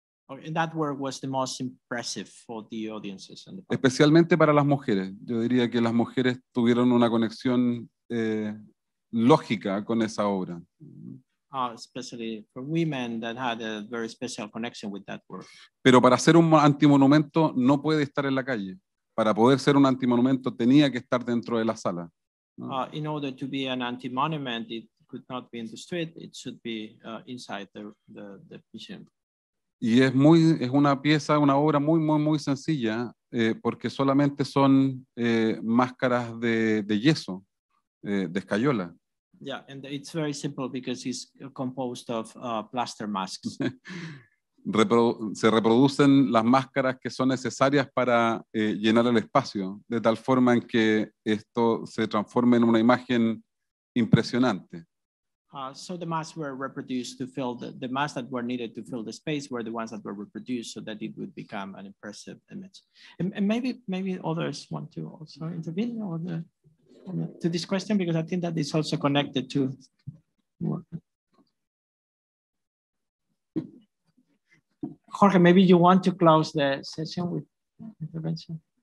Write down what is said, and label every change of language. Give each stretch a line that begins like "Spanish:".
English: And that work was the most impressive for the audiences. And the public.
Spanish: Especialmente para las mujeres. Yo diría que las mujeres tuvieron una conexión lógica con esa obra.
English: Especially for women that had a very special connection with that work.
Spanish: Pero para ser un antimonumento no puede estar en la calle. Para poder ser un antimonumento tenía que estar dentro de la sala.
English: In order to be an anti-monument, it could not be in the street. It should be inside the museum.
Spanish: Y es una pieza, una obra muy, muy, muy sencilla, porque solamente son máscaras de yeso, de escayola.
English: Yeah, and it's very simple because it's composed of plaster masks.
Spanish: se reproducen las máscaras que son necesarias para llenar el espacio, de tal forma en que esto se transforme en una imagen impresionante.
English: So the masks were reproduced to fill the masks that were needed to fill the space were the ones that were reproduced so that it would become an impressive image. And maybe others want to also intervene to this question, because I think that is also connected to Jorge, maybe you want to close the session with intervention.